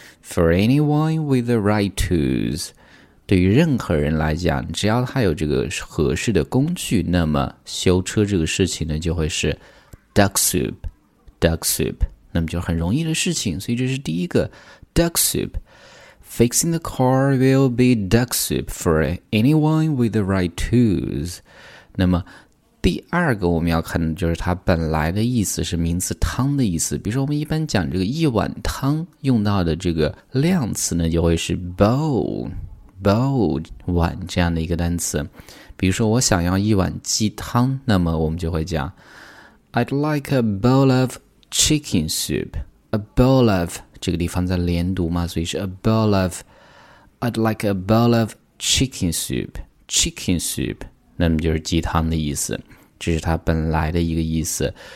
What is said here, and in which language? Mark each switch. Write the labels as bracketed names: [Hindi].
[English] For anyone with the right tools， [Chinese] 对于任何人来讲，只要他有这个合适的工具，那么修车这个事情呢就会是Duck soup， 那么就很容易的事情，所以这是第一个 duck soup。 [English] Fixing the car will be duck soup for anyone with the right tools。 [Chinese] 那么第二个我们要看的就是它本来的意思是名词汤的意思，比如说我们一般讲这个一碗汤用到的这个量词呢就会是 bowl 碗这样的一个单词，比如说我想要一碗鸡汤，那么我们就会讲 [English] I'd like a bowl of chicken soup. [Chinese] A bowl of 这个地方在连读嘛，所以是 a bowl of. [English] I'd like a bowl of chicken soup. [Chinese] Chicken soup 那么就是鸡汤的意思，这是它本来的一个意思。